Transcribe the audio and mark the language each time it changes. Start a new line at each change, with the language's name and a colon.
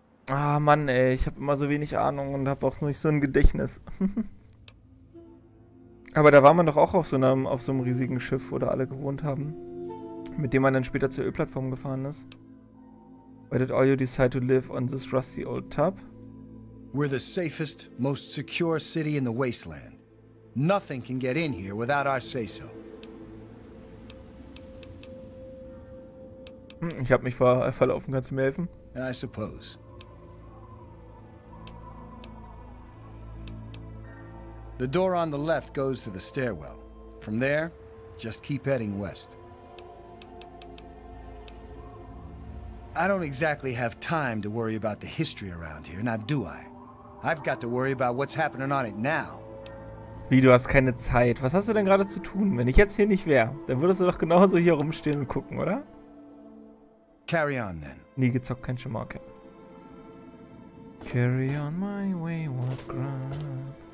German: Ah, Mann, ey, ich habe immer so wenig Ahnung und habe auch nur nicht so ein Gedächtnis. Aber da war man doch auch auf so einem riesigen Schiff, wo da alle gewohnt haben. Mit dem man dann später zur Ölplattform gefahren ist.
English: Why did all you decide to live on this rusty old tub? We're the safest, most secure city in the wasteland. Nothing can get in here without our say-so.
German: Ich hab mich verlaufen, kannst du mir helfen?
English: And I suppose. The door on the left goes to the stairwell. From there, just keep heading west. I don't exactly have time to worry about the history around here, now do I? I've got to worry about what's happening on it now.
German: Wie, du hast keine Zeit? Was hast du denn gerade zu tun? Wenn ich jetzt hier nicht wäre, dann würdest du doch genauso hier rumstehen und gucken, oder?
English: Carry on, then.
German: Nie gezockt, kein Schimmer, okay.
English: Carry on my wayward ground.